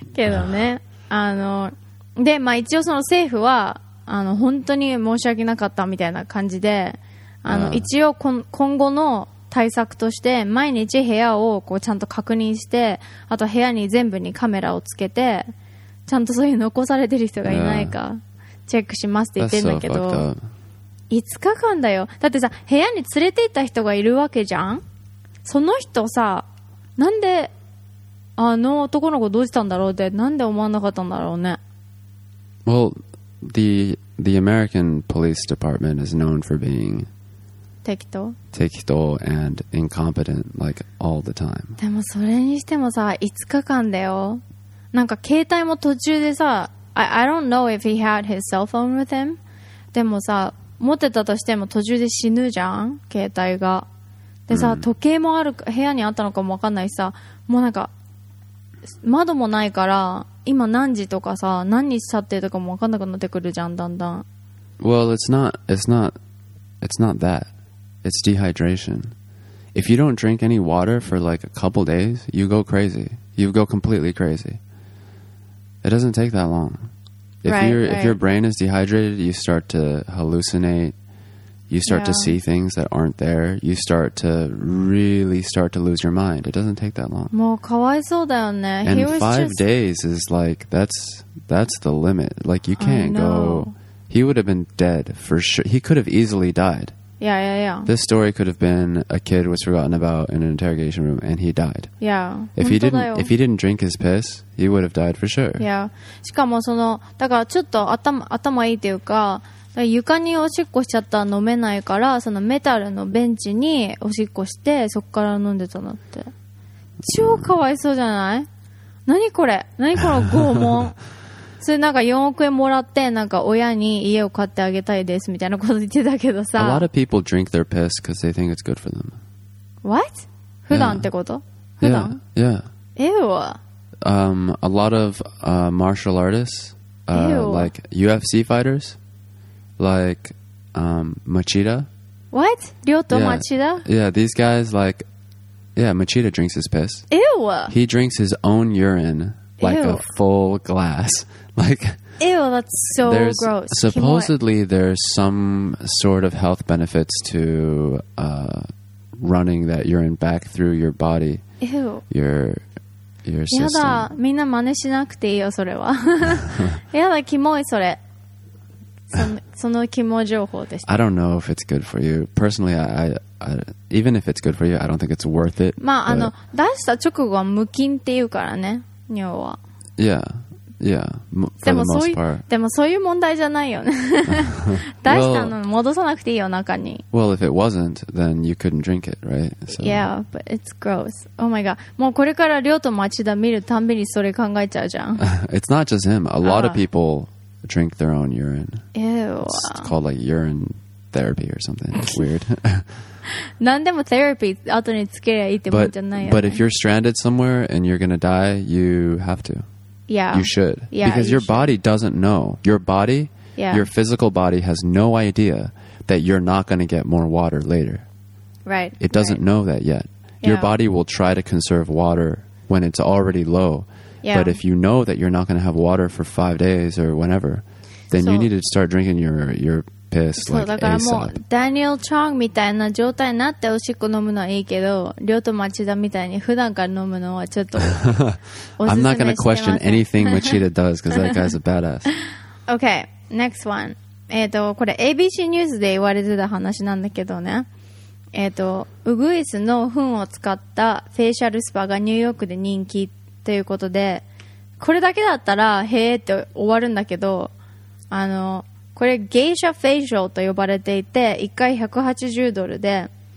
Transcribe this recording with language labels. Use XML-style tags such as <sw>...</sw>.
<ja>けどね、あのでまあ、一応その政府はあの本当に申し訳なかったみたいな感じであの一応今後の対策として毎日部屋をこうちゃんと確認してあと部屋に全部にカメラをつけてちゃんとそういう残されてる人がいないかチェックしますって言ってるんだけど、</ja> <en>That's so fucked up.</en> <ja>5日間だよだってさ部屋に連れて行った人がいるわけじゃんその人さなんであの男の子どうしたんだろうってなんで思わなかったんだろうね</ja> <en>Well, the American Police Department is known for being</en> <ja>Tekito</ja> <en>and incompetent, like, all the time.</en> <ja>でもそれにしてもさ、5日間だよ。なんか携帯も途中でさ、</ja> <en>I don't know if he had his cell phone with him.</en> <ja>でもさ、持ってたとしても途中で死ぬじゃん、携帯が。でさ、時計もある、部屋にあったのかもわかんないしさ、もうなんか、窓もないから、今何時とかさ、何日経ってとかも分かんなくなってくるじゃん、だんだん。</ja> <en>Well, it's not that. It's dehydration. If you don't drink any water for like a couple days, you go crazy. You go completely crazy. It doesn't take that long. If your brain is dehydrated, you start to hallucinate. You start to see things that aren't there. You start to really start to lose your mind. It doesn't take that long.</en> <ja>もうかわいそうだよね。</ja> <en>And five days is like, that's the limit. Like, you can't go... He would have been dead for sure. He could have easily died. Yeah. This story could have been a kid was forgotten about in an interrogation room and he died. Yeah. If he didn't drink his piss, he would have died for sure. Yeah.</en> <ja>しかもその、だからちょっと頭いいというか、床におしっこしちゃったら飲めないからそのメタルのベンチにおしっこしてそこから飲んでたのって超かわいそうじゃない何これ何この拷問それなんか4億円もらってなんか親に家を買ってあげたいですみたいなこと言ってたけどさ</ja> <en>A lot of people drink their piss because they think it's good for them What?</en> <ja>普段ってこと、</ja> <en>yeah.</en> <ja>普段</ja> <en>Yeah, yeah. Ew A lot of martial artists like UFC fightersLike, Machida. What? Ryoto Machida? Yeah, these guys like... Yeah, Machida drinks his piss. Ew! He drinks his own urine, like a full glass. Like, ew, that's so gross. Supposedly, there's some sort of health benefits to running that urine back through your body. Ew. Your system.</en> <ja>やだ、みんな真似しなくていいよ、それは。やだ、キモい、それ。その肝情報でした</ja> <en>I don't know if it's good for you Personally, I even if it's good for you I don't think it's worth it</en> <ja>まあ、あの出した直後は無菌っていうからね尿は</ja> <en>Yeah Yeah, for the most part.</en> <ja>でもそういう問題じゃないよね。大したの戻さなくていいよ、中に。</ja> <en>Well, if it wasn't, then you couldn't drink it, right? So. Yeah, but it's gross. Oh my god.</en> <ja>もうこれから亮と町田見るたんびにそれ考えちゃうじゃん。</ja> <en>It's not just him. A lot of people drink their own urine. Ew. It's called like urine therapy or something. It's weird.</en> <ja>何でもセラピー後につけりゃいいってもんじゃないよね。</ja> <en>But if you're stranded somewhere and you're gonna die, you have to. Yeah. You should. Yeah, because your body doesn't know. Your body, yeah. your physical body has no idea that you're not gonna get more water later. Right. It doesn't right. know that yet. Yeah. Your body will try to conserve water when it's already low. Yeah. But if you know that you're not gonna have water for 5 days or whenever, then so, you need to start drinking your piss so, like</en> <ja>だからもう</ja> <en>ASAP.</en> <ja>Daniel Chong みたいな状態になっておしっこ飲むのはいいけど、亮と町田みたいに普段から飲むのはちょっとおすすめしてません。</ja> <en>I'm not gonna question anything Machida does because that guy's a badass. Okay, next one.</en> <ja>これ ABC ニュースで言われてた話なんだけどね。ウグイスの糞を使ったフェイシャルスパがニューヨークで人気ということで、これだけだったらへーって終わるんだけど、あのこれゲイシャフェイシャルと呼ばれていて、1回180ドルで、</ja>